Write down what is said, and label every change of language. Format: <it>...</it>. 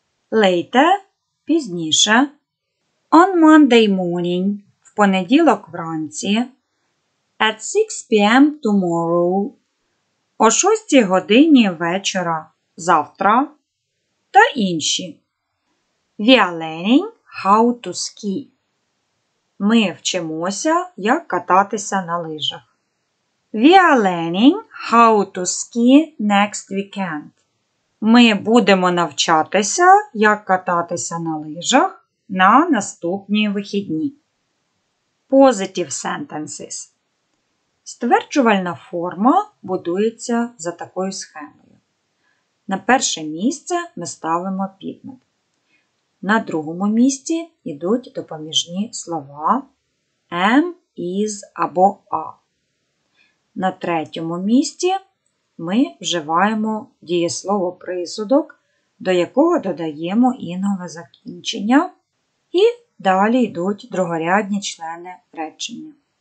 <en>Later – пізніше. On Monday morning –</en> <uk>в понеділок вранці.</uk> <en>At 6 p.m.</en> <uk>tomorrow – о 6 годині вечора завтра. Та інші.</uk> <en>We are learning how to ski.</en> <uk>Ми вчимося, як кататися на лижах.</uk> <en>We are learning how to ski next weekend.</en> <uk>Ми будемо навчатися, як кататися на лижах на наступні вихідні.</uk> <en>Positive sentences.</en> <uk>Стверджувальна форма будується за такою схемою. На перше місце ми ставимо підмет. На другому місці йдуть допоміжні слова am, is або are. На третьому місці ми вживаємо дієслово-присудок, до якого додаємо інове закінчення, і далі йдуть другорядні члени речення.</uk>